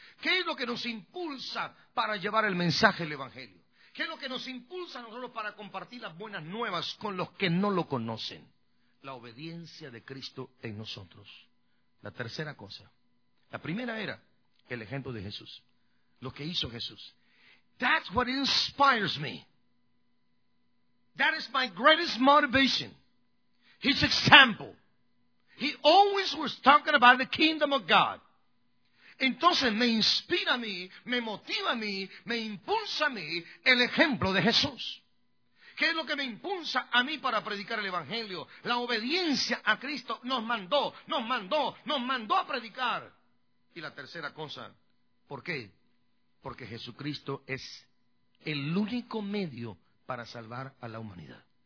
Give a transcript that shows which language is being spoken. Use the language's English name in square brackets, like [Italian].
[Spanish] ¿Qué es lo que nos impulsa para llevar el mensaje del Evangelio? ¿Qué es lo que nos impulsa a nosotros para compartir las buenas nuevas con los que no lo conocen? La obediencia de Cristo en nosotros. La tercera cosa. La primera era el ejemplo de Jesús. Lo que hizo Jesús. [English] That's what inspires me. That is my greatest motivation. His example. He always was talking about the kingdom of God. [Spanish] Entonces me inspira a mí, me motiva a mí, me impulsa a mí el ejemplo de Jesús. ¿Qué es lo que me impulsa a mí para predicar el Evangelio? La obediencia a Cristo nos mandó a predicar. Y la tercera cosa, ¿por qué? Porque Jesucristo es el único medio para salvar a la humanidad.